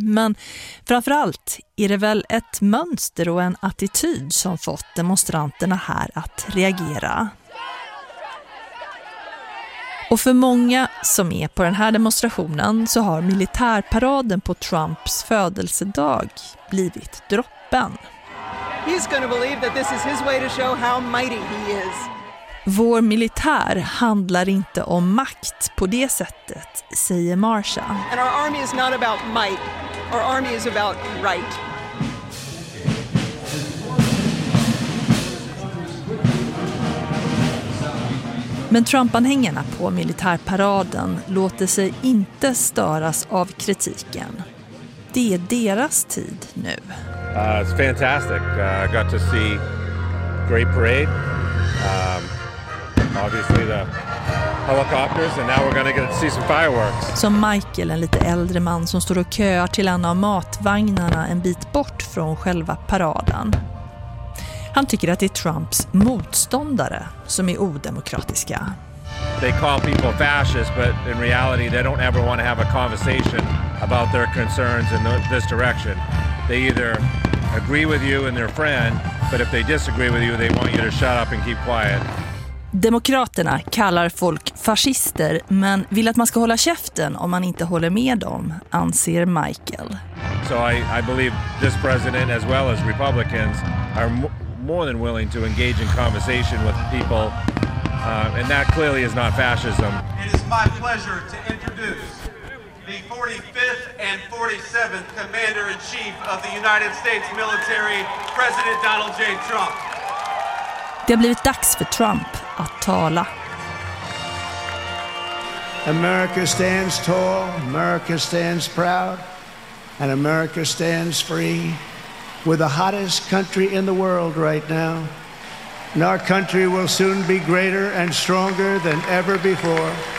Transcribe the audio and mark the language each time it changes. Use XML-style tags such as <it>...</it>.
<sv>Men framförallt är det väl ett mönster och en attityd som fått demonstranterna här att reagera. Och för många som är på den här demonstrationen så har militärparaden på Trumps födelsedag blivit droppen.</sv> <en>He's going to believe that this is his way to show how mighty he is.</en> <sv>Vår militär handlar inte om makt på det sättet, säger Marsha.</sv> <en>And our army is not about might. Our army is about right.</en> <sv>Men Trump-anhängarna på militärparaden låter sig inte störas av kritiken. Det är deras tid nu.</sv> <en>It's fantastic. I got to see great parade. Obviously the helicopters and now we're going to get to see some fireworks.</en> <sv>Som Michael, en lite äldre man som står och köar till en av matvagnarna en bit bort från själva paraden. Han tycker att det är Trumps motståndare som är odemokratiska.</sv> <en>They call people fascist, but in reality they don't ever want to have a conversation about their concerns in this direction. They either agree with you and their friend, but if they disagree with you they want you to shut up and keep quiet.</en> <sv>Demokraterna kallar folk fascister men vill att man ska hålla käften om man inte håller med dem, anser Michael.</sv> <en>So I believe this president as well as Republicans are more than willing to engage in conversation with people and that clearly is not fascism. It is my pleasure to introduce the 45th and 47th Commander-in-Chief of the United States military, President Donald J. Trump.</en> <sv>Det har blivit dags för Trump att tala.</sv> <en>America stands tall, America stands proud, and America stands free. We're the hottest country in the world right now. And our country will soon be greater and stronger than ever before.</en>